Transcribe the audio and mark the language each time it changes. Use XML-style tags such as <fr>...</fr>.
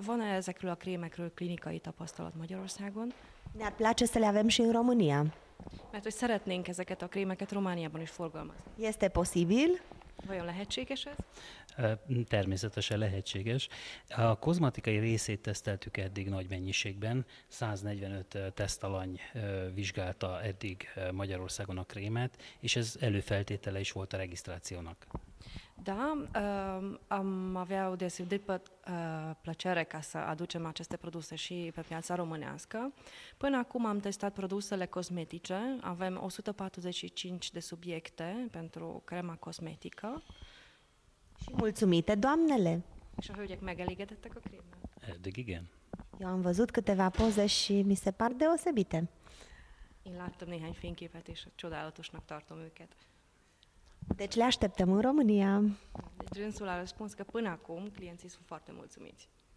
<hu>Van-e ezekről a krémekről klinikai tapasztalat Magyarországon?</hu> <ro>Ne-ar place să le avem și în România.</ro> <hu>Mert hogy szeretnénk ezeket a krémeket Romániában is forgalmazni.</hu> <ro>Este posibil?</ro> <hu>Vajon lehetséges ez? Természetesen lehetséges. A kozmatikai részét teszteltük eddig nagy mennyiségben. 145 tesztalany vizsgálta eddig Magyarországon a krémet, és ez előfeltétele is volt a regisztrációnak.</hu> <ro>Da, am avea o deosebită plăcere ca să aducem aceste produse și pe piața românească. Până acum am testat produsele cosmetice, avem 145 de subiecte pentru crema cosmetică. Și mulțumite, doamnele!</ro> <hu>Și hölgyek megelégedettek a crema. Eddig igen.</hu> <ro>Eu am văzut câteva poze și mi se par deosebite.</ro> <hu>Én láttam néhány fényképet és csodálatosnak tartom őket.</hu> <ro>Deci le așteptăm în România. Deci dânsul a răspuns că până acum clienții sunt foarte mulțumiți.</ro>